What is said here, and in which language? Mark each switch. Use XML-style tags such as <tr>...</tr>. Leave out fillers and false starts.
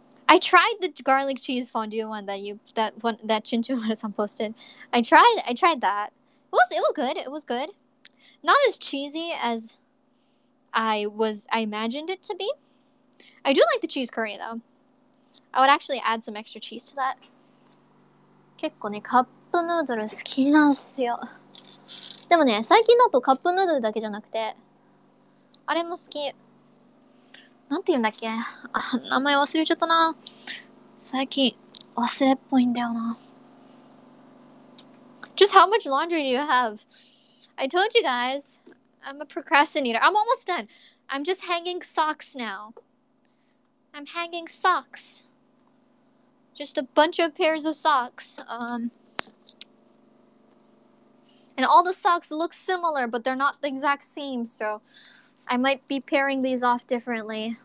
<en>I tried the garlic cheese fondue one that Chinchu-san posted. I tried that. It was good. Not as cheesy as I imagined it to be. I do like the cheese curry though. I would actually add some extra cheese to that.</en> <ja>結構ね、カップヌードル好きなんすよ。でもね、最近だとカップヌードルだけじゃなくて、あれも好き。なんて言うんだっけ、名前忘れちゃったな。最近忘れっぽいんだよな。</ja> <en>Just how much laundry do you have? I told you guys, I'm a procrastinator. I'm almost done. I'm just hanging socks now. I'm hanging socks. Just a bunch of pairs of socks. And all the socks look similar, but they're not the exact same, so I might be pairing these off differently.</en>